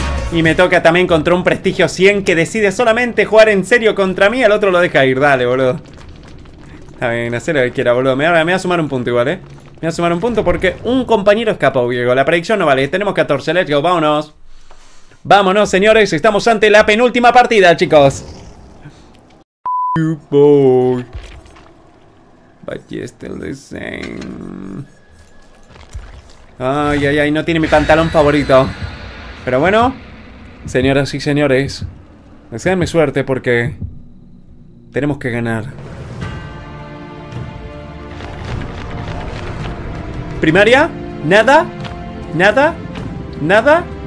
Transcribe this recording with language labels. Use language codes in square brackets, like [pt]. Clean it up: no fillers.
[es] Y me toca también contra un prestigio 100 que decide solamente jugar en serio contra mí. El otro lo deja ir. Dale, boludo. Está bien, hacer lo que quiera, boludo. Me voy a sumar un punto igual, ¿eh? Me voy a sumar un punto porque un compañero escapó, Diego. La predicción no vale. Tenemos 14. [en] Let's go, [es] vámonos. Vámonos, señores, estamos ante la penúltima partida, chicos. [en] You boy. But you're still the same. [es] Ay, ay, ay, no tiene mi pantalón favorito. Pero bueno, señoras y señores, deseadme suerte porque tenemos que ganar. ¿Primaria? ¿Nada? ¿Nada? ¿Nada?